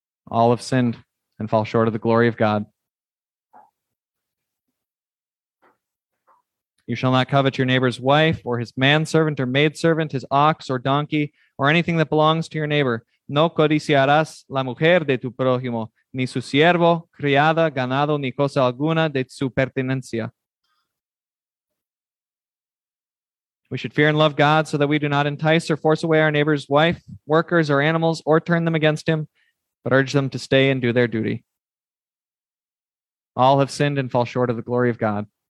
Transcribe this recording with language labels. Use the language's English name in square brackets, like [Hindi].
[English] All have sinned and fall short of the glory of God. You shall not covet your neighbor's wife or his manservant or maidservant, his ox or donkey, or anything that belongs to your neighbor. [Spanish] No codiciarás la mujer de tu prójimo, ni su siervo, criada, ganado, ni cosa alguna de su pertenencia. [English] We should fear and love God so that we do not entice or force away our neighbor's wife, workers, or animals, or turn them against him, but urge them to stay and do their duty. All have sinned and fall short of the glory of God.